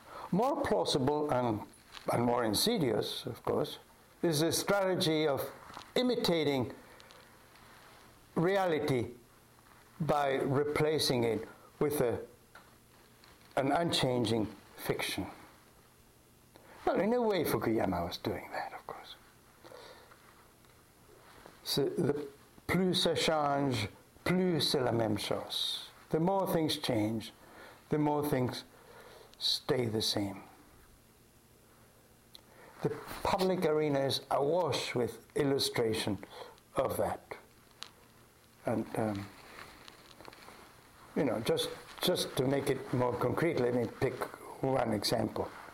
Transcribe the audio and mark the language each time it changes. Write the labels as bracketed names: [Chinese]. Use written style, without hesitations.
[English] More plausible and more insidious, of course, is the strategy of imitating reality by replacing it with an unchanging fiction. Well, in a way, Fukuyama was doing that, of course. So the [French] plus ça change, plus c'est la même chose. [English] The more things change, the more things stay the same. The public arena is awash with illustration of that. And, you know, just to make it more concrete, let me pick one example.